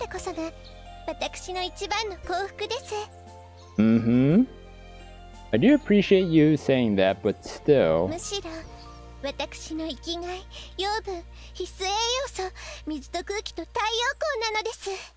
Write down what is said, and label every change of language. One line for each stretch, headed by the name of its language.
Japanese: ここで英気を養って兄様が頑張ってくださる。その姿こそが私の一番の幸福です。
English: I do appreciate you saying that, but still.
Japanese: むしろ私の生きがい、養分、必須栄養素、水と空気と太陽光なのです。